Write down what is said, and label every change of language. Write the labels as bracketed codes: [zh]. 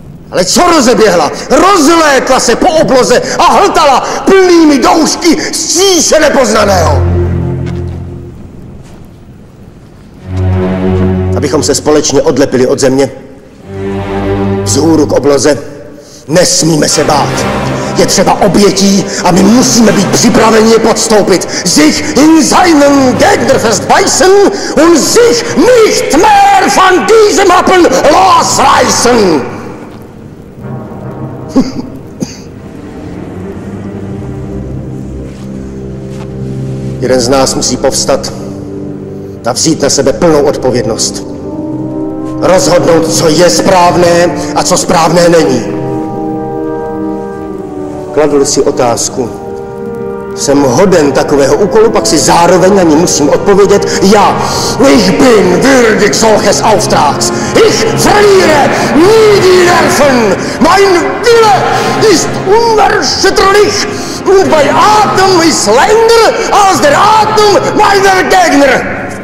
[cs] Ale co rozeběhla? Rozlétla se po obloze a hltala plnými doušky stříše nepoznaného. Abychom se společně odlepili od země, vzhůru k obloze, nesmíme se bát. Je třeba obětí a my musíme být připraveni je podstoupit. [de] Sich in seinen Gegnerfest beißen und sich nicht mehr von diesem Happen losreißen. [cs] Jeden z nás musí povstat a vzít na sebe plnou odpovědnost. Rozhodnout, co je správné a co správné není. Kladl si otázku. Jsem hoden takového úkolu, pak si zároveň na ní musím odpovědět. [de] Já, ich bin würdig solches Auftrags. Ich verliere nie die Nerven. Mein Wille ist unerschütterlich. Und mein Atem ist länger als der Atem meiner Gegner.